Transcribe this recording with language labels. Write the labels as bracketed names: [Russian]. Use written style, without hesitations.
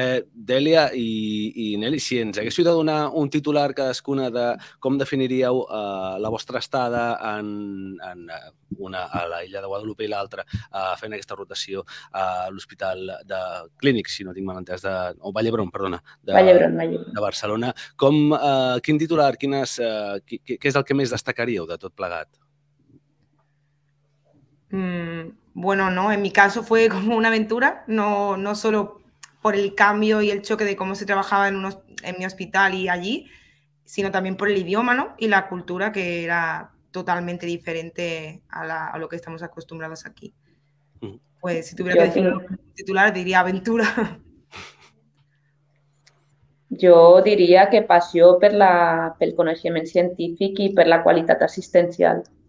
[Catalan] Dèlia i Nelly, si ens haguéssiu de donar un titular cadascuna de com definiríeu la vostra estada en una a l'illa de Guadalupe i l'altra fent aquesta rotació a l'Hospital de Clínic, si no tinc mal entès, o Vall d'Hebron, perdona, Vall d'Hebron. De Barcelona, com, quin titular, què és el que més destacaríeu de tot plegat? [Spanish] Bueno, no, en mi caso fue como una aventura, no solo por el cambio y el choque de cómo se trabajaba en mi hospital y allí, sino también por el idioma, ¿no? Y la cultura, que era totalmente diferente a lo que estamos acostumbrados aquí. Pues si tuviera que definir un titular, diría aventura. [Catalan] Jo diria que passió pel coneixement científic i per la qualitat assistencial.